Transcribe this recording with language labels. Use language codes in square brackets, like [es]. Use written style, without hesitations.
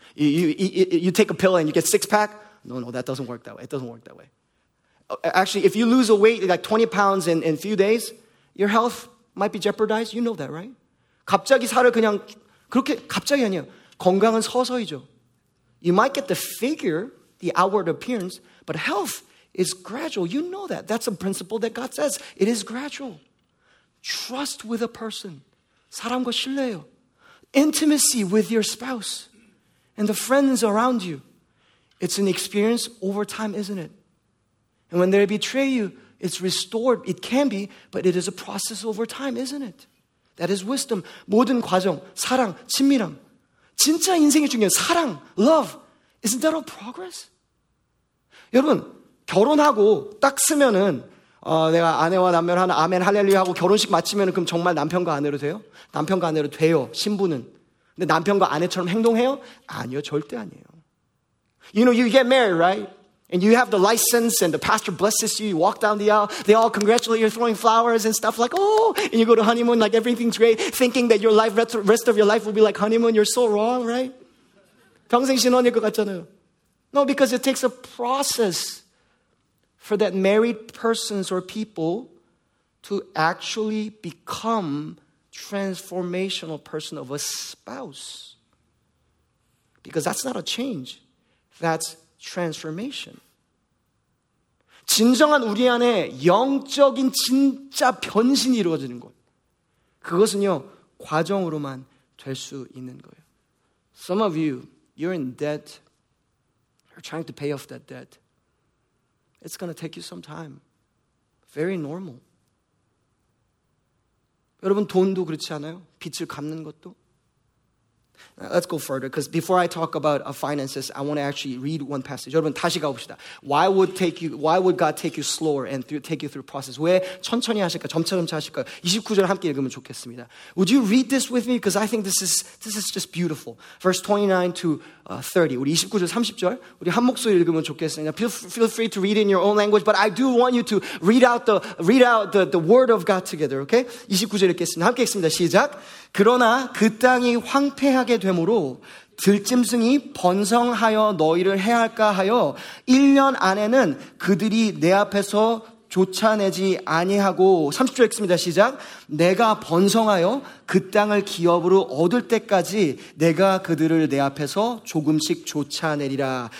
[en] You take a pill and you get six pack? No, that doesn't work that way. It doesn't work that way. Actually, if you lose a weight, like 20 pounds in a few days, your health might be jeopardized. You know that, right? [ko] 갑자기 살을 그냥, 그렇게 갑자기 아니에요. 건강은 서서히죠. [en] You might get the figure, the outward appearance, but health is gradual. You know that. That's a principle that God says. It is gradual. Trust with a person. [ko] 사람과 신뢰해요. [en] Intimacy with your spouse and the friends around you. It's an experience over time, isn't it? And when they betray you, it's restored. It can be, but it is a process over time, isn't it? That is wisdom. [ko] 모든 과정, 사랑, 친밀함. 진짜 인생이 중요해요. 사랑, love. [en] Isn't that all progress? [ko] 여러분, 결혼하고 딱 쓰면은 내가 아내와 남편 하나 아멘 할렐루야 하고 결혼식 마치면 그럼 정말 남편과 아내로 돼요? 남편과 아내로 돼요, 신부는. 근데 남편과 아내처럼 행동해요? 아니요, 절대 아니에요. [en] You know, you get married, right? And you have the license and the pastor blesses you. You walk down the aisle. They all congratulate you. You're throwing flowers and stuff like, oh, and you go to honeymoon like everything's great, thinking that your life, rest of your life will be like honeymoon. You're so wrong, right? [ko] 평생 신혼일 것 같잖아요. [en] No, because it takes a process for that married persons or people to actually become transformational person of a spouse. Because that's not a change. That's transformation. [ko] 진정한 우리 안에 영적인 진짜 변신이 이루어지는 것. 그것은요, 과정으로만 될 수 있는 거예요. [en] Some of you, you're in debt. You're trying to pay off that debt. It's going to take you some time. Very normal. [ko] 여러분, 돈도 그렇지 않아요? 빚을 갚는 것도? [en] Now, let's go further, because before I talk about finances, I want to actually read one passage. [ko] 여러분, 다시 가봅시다. [en] Why would God take you slower and take you through process? [ko] 왜 천천히 하실까? 점차점차 하실까? 29절 함께 읽으면 좋겠습니다. [en] Would you read this with me? Because I think this is just beautiful. Verse 29 to 30. [ko] 우리 29절, 30절. 우리 한 목소리 읽으면 좋겠습니다. [en] Feel free to read in your own language, but I do want you to read out the word of God together, okay? [ko] 29절 읽겠습니다. 함께 읽습니다. 시작. 그러나 그 땅이 황폐하게 되므로 들짐승이 번성하여 너희를 해할까 하여 1년 안에는 그들이 내 앞에서 쫓아내지 아니하고 30초 읽습니다. 시작. 내가 번성하여 그 땅을 기업으로 얻을 때까지 내가 그들을 내 앞에서 조금씩 쫓아내리라.